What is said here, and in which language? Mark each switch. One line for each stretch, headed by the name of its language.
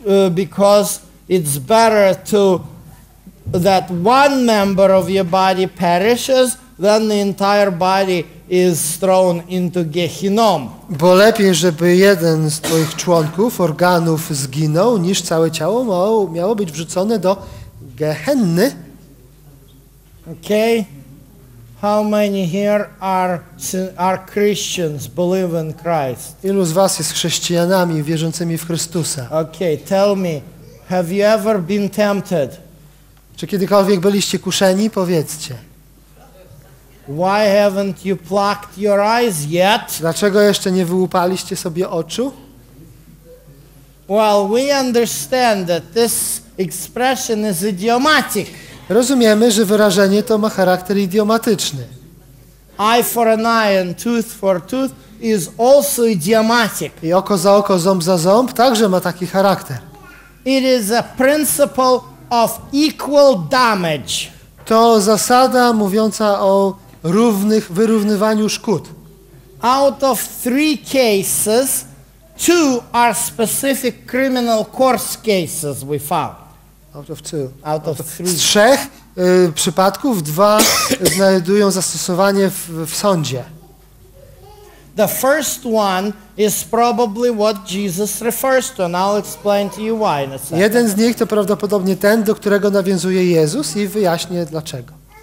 English: Because it's better to that one member of your body perishes, then the entire body is thrown into Gehinom.
Polish: Bo lepiej, żeby jeden z twoich członków, organów zginął, niż całe ciało miało być wrzucone do Gehenny.
English: Okay. How many here are Christians, believe in Christ?
Polish: Ilu z was jest chrześcijanami wierzącymi w Chrystusa?
English: Okay, tell me, have you ever been tempted?
Polish: Czy kiedykolwiek byliście kuszeni? Powiedzcie.
English: Why haven't you plucked your eyes yet?
Polish: Dlaczego jeszcze nie wyłupaliście sobie oczu?
English: Well, we understand that this expression is idiomatic.
Polish: Rozumiemy, że wyrażenie to ma charakter idiomatyczny.
English: Eye for an eye and tooth for tooth is also idiomatic.
Polish: I oko za oko, ząb za ząb także ma taki charakter.
English: It is a principle of equal damage.
Polish: To zasada mówiąca o równych wyrównywaniu szkód.
English: Out of three cases, two are specific criminal court cases we found. Out of three.
Polish: Z trzech przypadków dwa znajdują zastosowanie w sądzie.
English: The first one is probably what Jesus refers to, and I'll explain to you why in a second.
Polish: Jeden z nich to prawdopodobnie ten, do którego nawiązuje Jezus, i wyjaśnię dlaczego.